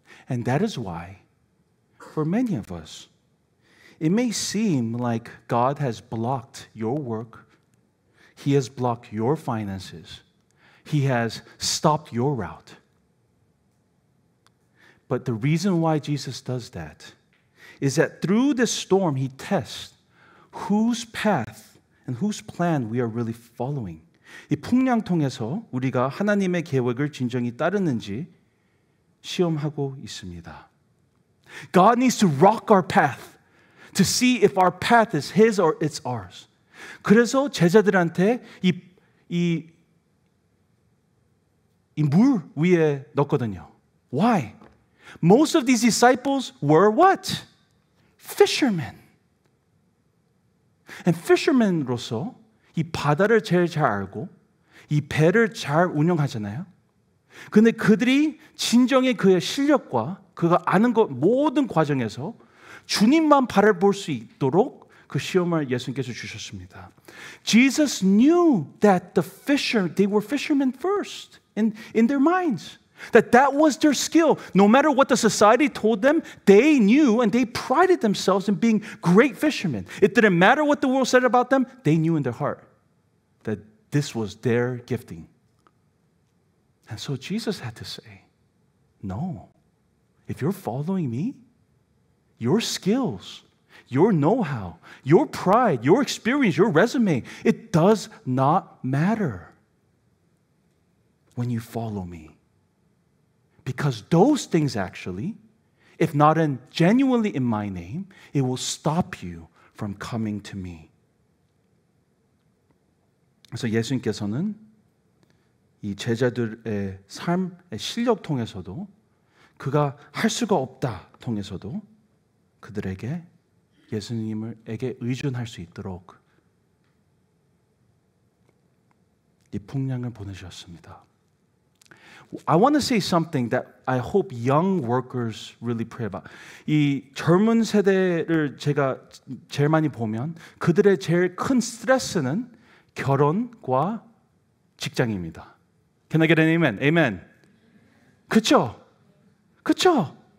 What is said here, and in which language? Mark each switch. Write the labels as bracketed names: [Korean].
[English] And that is why, for many of us, it may seem like God has blocked your work, He has blocked your finances, He has stopped your route. But the reason why Jesus does that is that through this storm, He tests whose path and whose plan we are really following. [Korean] 이 풍량 통해서 우리가 하나님의 계획을 진정히 따르는지 시험하고 있습니다. [English] God needs to rock our path to see if our path is His or it's ours. [Korean] 그래서 제자들한테 이 물 위에 넣었거든요. [English] Why? Most of these disciples were what? Fishermen. [Korean] And fishermen으로서 이 바다를 제일 잘 알고 이 배를 잘 운영하잖아요. 근데 그들이 진정의 그의 실력과 그가 아는 것 모든 과정에서 주님만 바라볼 수 있도록 그 시험을 예수님께서 주셨습니다. [English] Jesus knew that the fisher, they were fishermen first in their minds. That was their skill. No matter what the society told them, they knew and they prided themselves in being great fishermen. It didn't matter what the world said about them, they knew in their heart that this was their gifting. And so Jesus had to say, no, if you're following me, your skills, your know-how, your pride, your experience, your resume, it does not matter when you follow me. Because those things actually, if not genuinely in my name, it will stop you from coming to me. [Korean] 그래서 예수님께서는 이 제자들의 삶의 실력 통해서도 그가 할 수가 없다 통해서도 그들에게 예수님에게 의존할 수 있도록 이 풍량을 보내주셨습니다. [English] I want to say something that I hope young workers really pray about. [Korean] 이 젊은 세대를 제가 제일 많이 보면 그들의 제일 큰 스트레스는 결혼과 직장입니다. [English] Can I get an amen? Amen. [Korean] 그쵸? 그쵸?